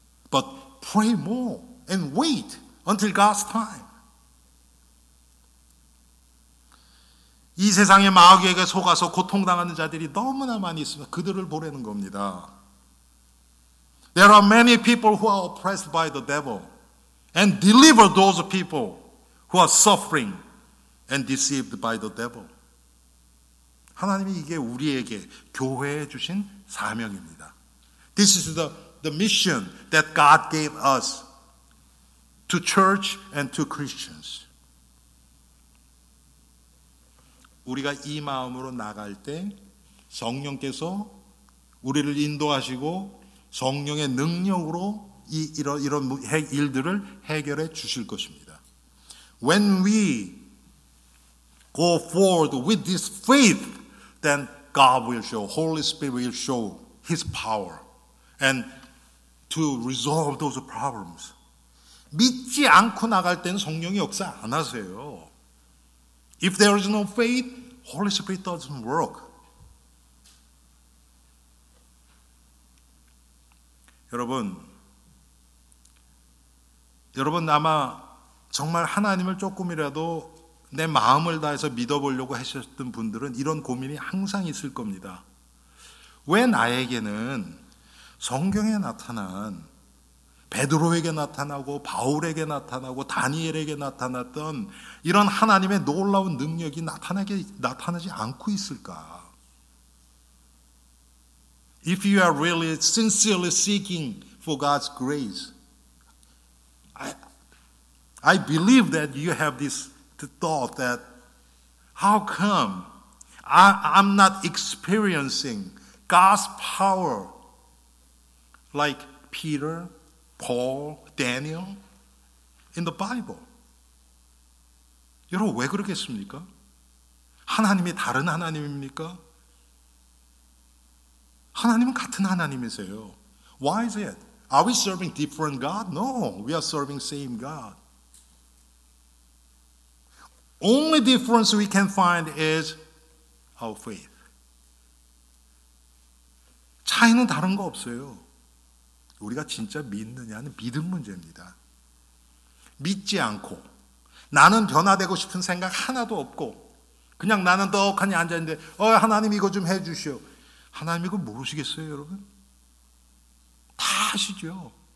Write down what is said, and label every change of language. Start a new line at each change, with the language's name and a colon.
English: But pray more and wait until God's time.
Korean: 이 세상의 마귀에게 속아서 고통당하는 자들이 너무나 많이 있습니다. 그들을 보라는 겁니다.
English: There are many people who are oppressed by the devil and deliver those people who are suffering and deceived by the devil.
Korean: 하나님이 이게 우리에게 교회에 주신 사명입니다.
English: This is the mission that God gave us to church and to Christians.
Korean: 우리가 이 마음으로 나갈 때 성령께서 우리를 인도하시고 성령의 능력으로 이런 일들을 해결해 주실 것입니다.
English: When we go forward with this faith, then God will show, Holy Spirit will show His power and to resolve those problems.
Korean: 믿지 않고 나갈 때는 성령이 역사 안 하세요.
English: If there is no faith, Holy Spirit doesn't work.
Korean: 여러분 아마 정말 하나님을 조금이라도 내 마음을 다해서 믿어보려고 하셨던 분들은 이런 고민이 항상 있을 겁니다. 왜 나에게는 성경에 나타난 베드로에게 나타나고 바울에게 나타나고 다니엘에게 나타났던 이런 하나님의 놀라운 능력이 나타나지 않고 있을까?
English: If you are really sincerely seeking for God's grace, I believe that you have this the thought that how come I'm not experiencing God's power like Peter, Paul, Daniel in the Bible?
Korean: 여러분 왜 그러겠습니까? 하나님이 다른 하나님입니까? 하나님은 같은 하나님이세요.
English: Why is it? Are we serving different God? No, we are serving same God. Only difference we can find is our faith.
Korean: 차이는 다른 거 없어요. 우리가 진짜 믿느냐는 믿음 문제입니다. 믿지 않고 나는 변화되고 싶은 생각 하나도 없고 그냥 나는 떡하니 앉아있는데 하나님 이거 좀 해주시오. 하나님 이거 모르시겠어요 여러분? 다 아시죠?